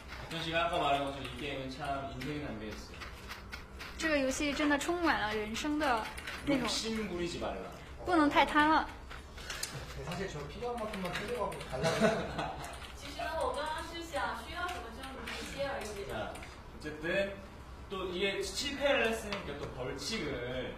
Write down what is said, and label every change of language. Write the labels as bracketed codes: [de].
[ko] 현식이 아까 말한 것처럼 이 게임은 참 인생의 담배였어요. [zh] 这个游戏真的充满了人生的那种。 [ko] 욕심 부리지 말라. [zh] 不能太贪了。 [ko] 사실 저 필요한 것만 챙겨가고 달라고. [zh] 其实呢我刚刚是想需要什么就买些而已。 [ko] 어쨌든 또 이게 실패를 했으니까 또 벌칙을